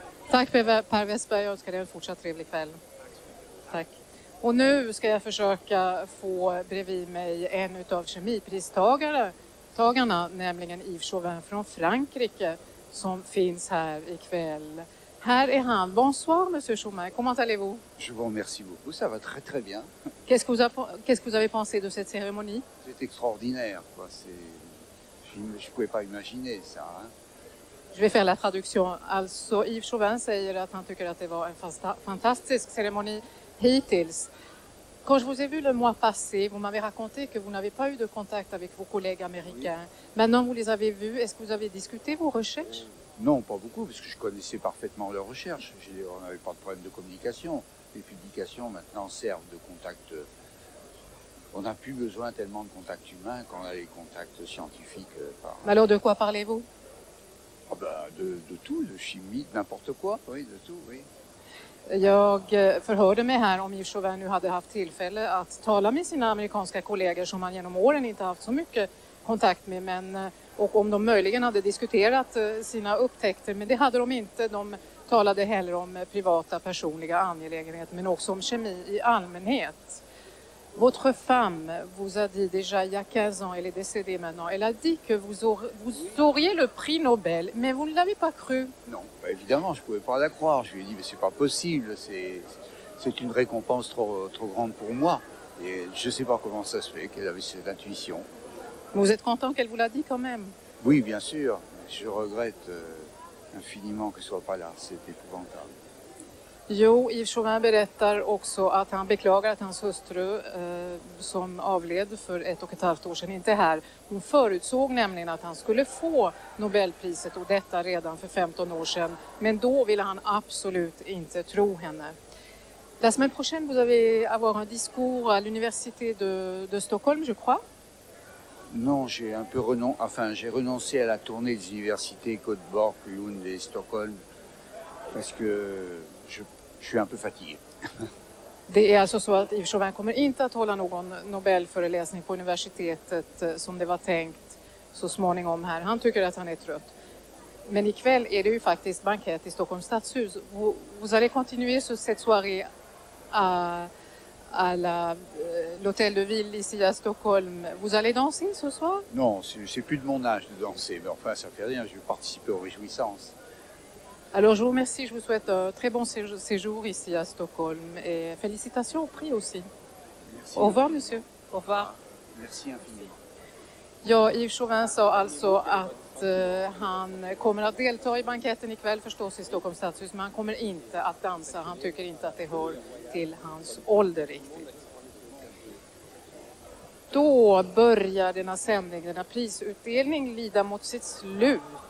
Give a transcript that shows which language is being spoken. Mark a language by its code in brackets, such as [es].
[sv] Tack Per Westberg, jag önskar dig en fortsatt trevlig kväll. Tack. Och nu ska jag försöka få bredvid mig en av kemipristagarna, nämligen Yves Chauvin från Frankrike, som finns här ikväll. Här är han. [fr] Bonsoir, monsieur Chauvin. Comment allez-vous? Je vous remercie beaucoup, ça va très très bien. Qu'est-ce que vous avez pensé de cette cérémonie? C'est extraordinaire, quoi. Je pouvais pas imaginer ça, hein. Je vais faire la traduction. [sv] Alltså, Yves Chauvin säger att han tycker att det var en fantastisk cérémonie hittills. [fr] Quand je vous ai vu le mois passé, vous m'avez raconté que vous n'avez pas eu de contact avec vos collègues américains. Oui. Maintenant, vous les avez vus. Est-ce que vous avez discuté vos recherches? Non, pas beaucoup, parce que je connaissais parfaitement leurs recherches. On n'avait pas de problème de communication. Les publications, maintenant, servent de contact. On n'a plus besoin tellement de contacts humains qu'on a les contacts scientifiques. Alors, de quoi parlez-vous? Ah ben, de tout, de chimie, de n'importe quoi, oui, de tout, oui. [sv] Jag förhörde mig här om Yves Chauvin nu hade haft tillfälle att tala med sina amerikanska kollegor som han genom åren inte haft så mycket kontakt med, men, och om de möjligen hade diskuterat sina upptäckter, men det hade de inte. De talade heller om privata personliga angelägenheter, men också om kemi i allmänhet. [fr] Votre femme vous a dit déjà il y a 15 ans, elle est décédée maintenant, elle a dit que vous auriez le prix Nobel, mais vous ne l'avez pas cru. Non, bah évidemment, je ne pouvais pas la croire. Je lui ai dit, mais ce n'est pas possible, c'est une récompense trop grande pour moi. Et je ne sais pas comment ça se fait qu'elle avait cette intuition. Vous êtes content qu'elle vous l'a dit quand même? Oui, bien sûr. Je regrette infiniment que ce ne soit pas là, c'est épouvantable. [sv] Jo, Yves Chauvin berättar också att han beklagar att hans hustru som avled för 1,5 år sedan inte är här. Hon förutsåg nämligen att han skulle få Nobelpriset och detta redan för 15 år sedan. Men då ville han absolut inte tro henne. [fr] La semaine prochaine, vous avez avoir un discours à l'université de Stockholm, je crois? Non, j'ai un peu j'ai renoncé à la tournée des universités Göteborg, Lund et Stockholm parce que je suis un peu fatigué. [sv] Det är alltså så att Yves Chauvin kommer inte att hålla någon Nobelföreläsning på universitetet som det var tänkt så småningom här. Han tycker att han är trött. Men ikväll är det ju faktiskt bankett i Stockholms stadshus. [fr] Vous allez continuer cette soirée à l'hôtel de ville ici à Stockholm. Vous allez danser ce soir? Non, c'est plus de mon âge de danser, mais enfin ça fait rien, je vais participer aux réjouissances. Alors je vous remercie, je vous souhaite un très bon séjour ici à Stockholm et félicitations au prix aussi. Merci. Au revoir monsieur. Au revoir. Merci infiniment. [sv] Ja, Yves Chauvin sa alltså att han kommer att delta i banketten ikväll förstås i Stockholms stadshus, men han kommer inte att dansa. Han tycker inte att det hör till hans ålder riktigt. Då börjar denna sändning, denna prisutdelning, lida mot sitt slut.